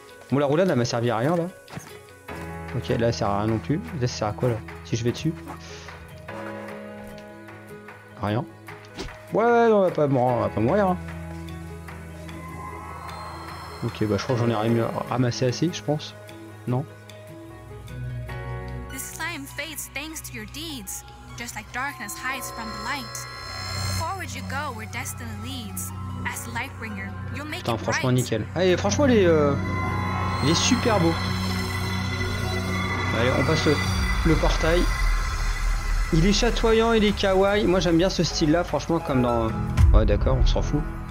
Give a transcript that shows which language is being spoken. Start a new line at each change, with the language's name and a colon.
French: Bon, la roulade, elle m'a servi à rien là. Ok, là ça sert à rien non plus. Là ça sert à quoi là? Si je vais dessus. Rien. Ouais, non, on va pas mourir. Hein. Ok, bah je crois que j'en ai ramassé assez, je pense. Non.
English: This slime fades thanks to your deeds, just like darkness hides from the light. Forward you go where destiny leads. As Lightbringer, you'll make it.
French: Putain, franchement nickel. Allez, franchement il est super beau. Allez, on passe le portail. Il est chatoyant, il est kawaii. Moi j'aime bien ce style là, franchement, comme dans. Ouais d'accord, on s'en fout.